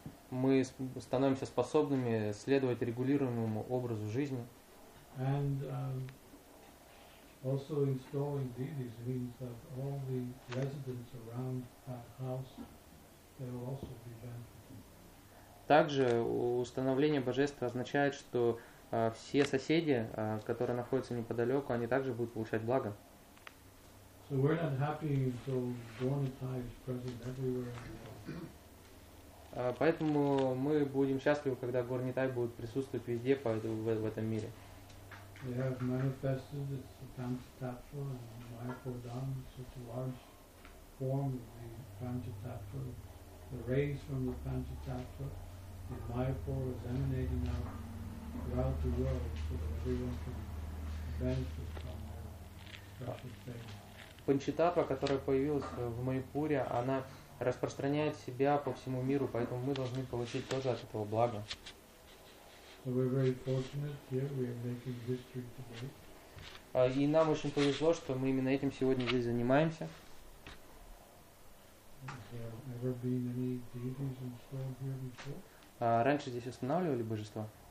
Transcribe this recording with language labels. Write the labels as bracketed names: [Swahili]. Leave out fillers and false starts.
[Russian] Мы становимся способными следовать регулируемому образу жизни. [English] And also installing deities means that all the residents around that house, they will also be benefiting. [Russian] Также установление божеств означает, что все соседи, которые находятся неподалеку, они также будут получать благо. [English] So we're not happy until Gornatai is present everywhere in the world. [Russian] Поэтому мы будем счастливы, когда Горнитай будет присутствовать везде в этом мире. [English] They have manifested at Panchatattva and Mayapur Dham, such a large form of the Panchatattva. The rays from the Panchatattva in Mayapur is emanating out throughout the world so that everyone can benefit from their precious things. [Russian] Панчататтва, которая появилась в Майпуре, она распространяет себя по всему миру, поэтому мы должны получить тоже от этого блага. [English] So we're very fortunate here, we are making history today. [Russian] И нам очень повезло, что мы именно этим сегодня здесь занимаемся. [English] Has there ever been any deities installed here before? [Russian] Раньше здесь устанавливали божества?